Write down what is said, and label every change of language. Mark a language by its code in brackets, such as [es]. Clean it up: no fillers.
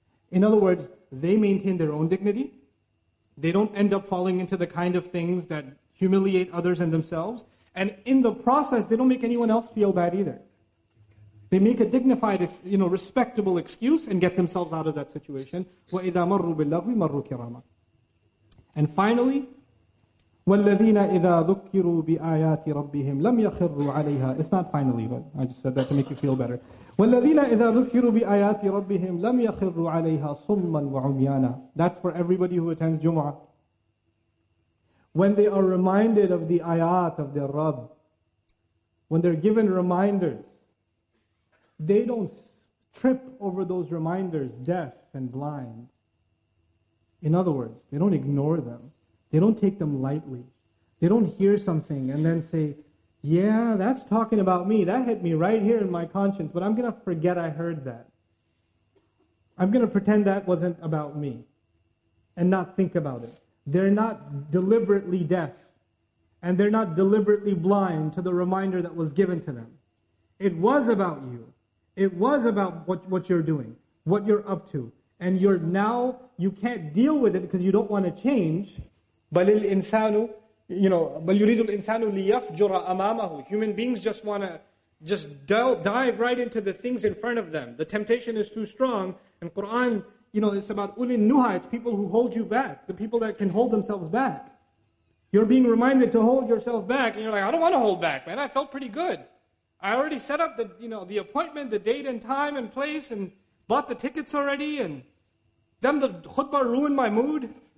[en] In other words, they maintain their own dignity. They don't end up falling into the kind of things that humiliate others and themselves. And in the process, they don't make anyone else feel bad either. They make a dignified, you know, respectable excuse and get themselves out of that situation. [ar] وَإِذَا مَرُّوا بِاللَّغْوِ مَرُّوا كِرَامًا. [en] And finally, [ar] وَالَّذِينَ إِذَا ذُكِّرُوا بِآيَاتِ رَبِّهِمْ لَمْ يَخِرُّوا عَلَيْهَا. [en] It's not finally, but I just said that to make you feel better. [ar] وَالَّذِينَ إِذَا ذُكِّرُوا بِآيَاتِ رَبِّهِمْ لَمْ يَخِرُّوا عَلَيْهَا صُمًّا وَعُمْيَانًا. [en] That's for everybody who attends Jumu'ah. When they are reminded of the ayat of their Rabb, when they're given reminders, they don't trip over those reminders deaf and blind. In other words, they don't ignore them. They don't take them lightly. They don't hear something and then say, yeah, that's talking about me. That hit me right here in my conscience, but I'm going to forget I heard that. I'm going to pretend that wasn't about me and not think about it. They're not deliberately deaf and they're not deliberately blind to the reminder that was given to them. It was about you. It was about what you're doing, what you're up to. And you're now, you can't deal with it because you don't want to change. [ar] بَلِ الْإِنسَانُ, [en] you know, [ar] بَلْ يُرِيدُ الْإِنسَانُ لِيَفْجُرَ أَمَامَهُ. [en] Human beings just want to just dive right into the things in front of them. The temptation is too strong. And Qur'an, you know, it's about [ar] أُلِ النُّهَى. [en] It's people who hold you back. The people that can hold themselves back. You're being reminded to hold yourself back. And you're like, I don't want to hold back, man. I felt pretty good. I already set up the, you know, the appointment, the date and time and place, and bought the tickets already, and then the khutbah ruined my mood.